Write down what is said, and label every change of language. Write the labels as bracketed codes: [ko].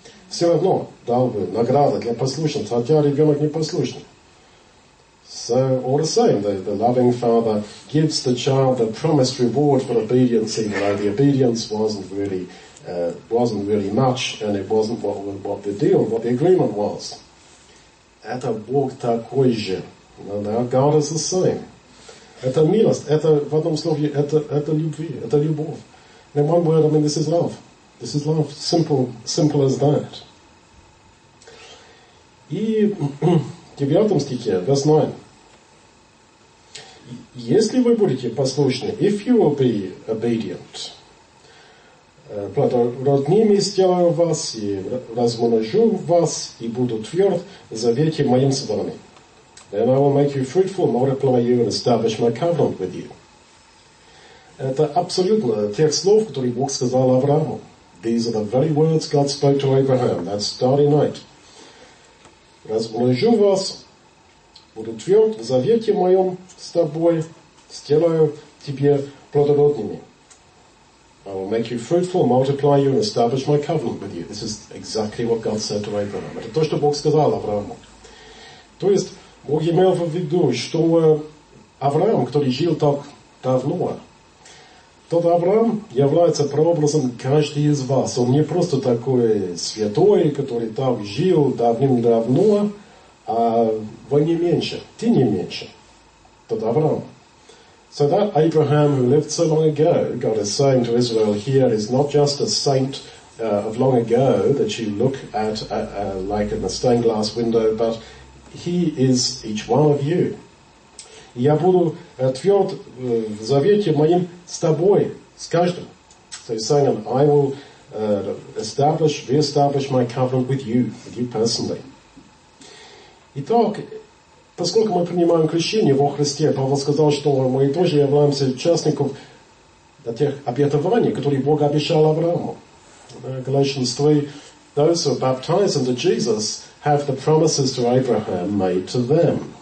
[ru] Все равно дал бы награду для послушных, хотя ребенок не послушный. [en] So, all the same, the loving father gives the child the promised reward for obedience, even though the obedience wasn't really much, and it wasn't what the agreement was. [ru] Это Бог такой же. [en] Now, God is the same. [ru] Это милость. Это, в одном слове, это любви. Это любовь. [en] In one word, I mean, this is love. This is love. Simple as that. [ru] И в 9 стихе, [en] verse 9, [ru] если вы будете послушны, [en] if you will be obedient, [ru] родными сделаю вас, и размножу вас, и буду тверд в завете моим с вами. [en] Then I will make you fruitful, multiply you, and establish my covenant with you. [ru] Это абсолютно тех слов, которые Бог сказал Аврааму. [en] These are the very words God spoke to Abraham. That's starry night. [ru] Размножу вас, буду тверд в завете моем с тобой, сделаю тебе плодородными. [en] I will make you fruitful, multiply you, and establish my covenant with you. This is exactly what God said to Abraham. [ru] Это то, что Бог сказал Аврааму. То есть, Бог имел в виду, что Авраам, который жил так давно, тот Авраам является прообразом каждого из вас. Он не просто такой святой, который там жил давным-давно, а вы не меньше, ты не меньше, тот Авраам. [en] So that Abraham who lived so long ago, God is saying to Israel here, is not just a saint of long ago that you look at like in a stained glass window, but he is each one of you. [ru] Я буду тверд в завете моим с тобой, с каждым. [en] So he's saying, I will re-establish my covenant with you personally. [ru] Итак, поскольку мы принимаем крещение во Христе, Павел сказал, что мы тоже являемся участником тех обетований, которые Бог обещал Аврааму. [en] Galatians 3, those who are baptized into Jesus have the promises to Abraham made to them.